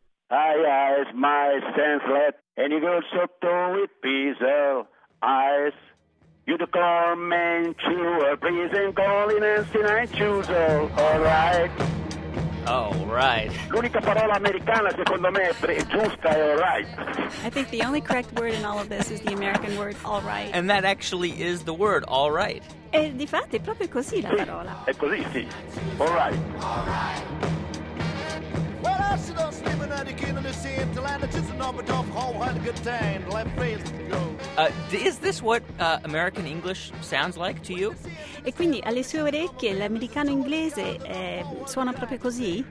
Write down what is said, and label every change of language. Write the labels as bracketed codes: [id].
[en] I eyes my sense let any girl sotto with pizzle eyes. You the man, you a prison calling and sin I choose all right. Oh, right. [it] L'unica parola americana, secondo me, è giusta, è all right. [en] I think the only correct word in all of this is the American word, all right. And that actually is the word, all right. [it] E di fatto è proprio così la parola. È così, sì. All right. All right. Well, I should not sleep in the kind of the same till I'm just an orbit off home, had a good time, till I'm face to go. [en] Is this what American English sounds like to you? [it] E quindi alle sue orecchie l'americano inglese suona proprio così?